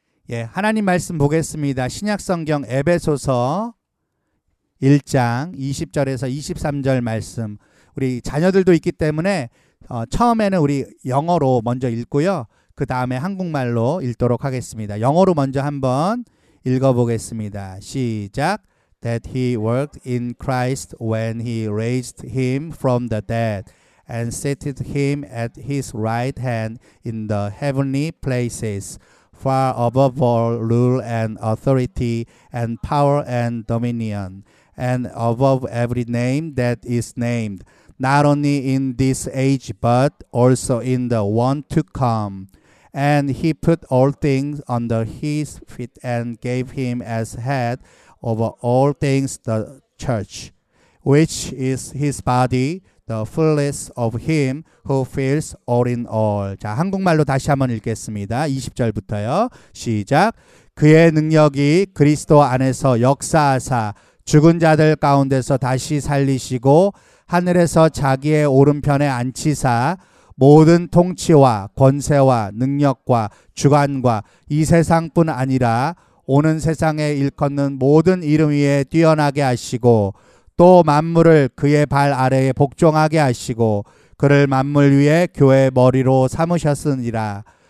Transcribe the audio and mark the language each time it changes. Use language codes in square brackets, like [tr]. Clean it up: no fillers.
[ko] 예, 하나님 말씀 보겠습니다. 신약성경 에베소서 1장 20절에서 23절 말씀. 우리 자녀들도 있기 때문에 처음에는 우리 영어로 먼저 읽고요. 그 다음에 한국말로 읽도록 하겠습니다. 영어로 먼저 한번 읽어보겠습니다. 시작. [en] That he worked in Christ when he raised him from the dead and seated him at his right hand in the heavenly places. Far above all rule and authority and power and dominion, and above every name that is named, not only in this age but also in the one to come. And he put all things under his feet and gave him as head over all things the church, which is his body, the fullness of him who fills all in all. [ko] 자, 한국말로 다시 한번 읽겠습니다. 20절부터요. 시작. 그의 능력이 그리스도 안에서 역사하사 죽은 자들 가운데서 다시 살리시고 하늘에서 자기의 오른편에 앉히사 모든 통치와 권세와 능력과 주관과 이 세상뿐 아니라 오는 세상에 일컫는 모든 이름 위에 뛰어나게 하시고 또 만물을 그의 발 아래에 복종하게 하시고 그를 만물 위에 교회 머리로 삼으셨으니라.